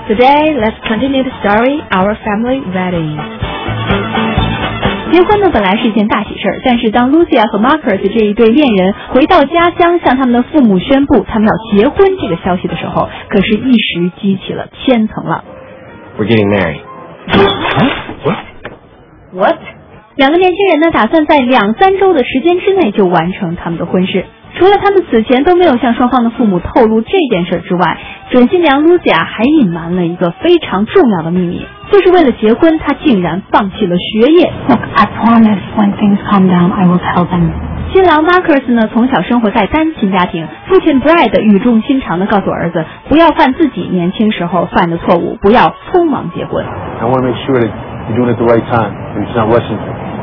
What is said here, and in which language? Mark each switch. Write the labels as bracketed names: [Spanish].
[English] Today, let's continue the story, Our Family Wedding. [Chinese] 结婚呢本来是一件大喜事，但是当 Lucia 和 Marcus 这一对恋人回到家乡向他们的父母宣布他们要结婚这个消息的时候，可是一时激起了千层浪。 [English] We're getting married. What? [Chinese] 两个年轻人呢打算在两三周的时间之内就完成他们的婚事。除了他们此前都没有向双方的父母透露这件事之外，准新娘 Lucia 还隐瞒了一个非常重要的秘密，就是为了结婚她竟然放弃了学业。 [English] Look, I promise when things calm down, I will tell them. [Chinese] 新郎 Marcus 呢从小生活在单亲家庭，父亲 Brad 语重心长地告诉儿子不要犯自己年轻时候犯的错误，不要匆忙结婚。 [English] I want to make sure that you're doing it the right time, and it's not rushing you.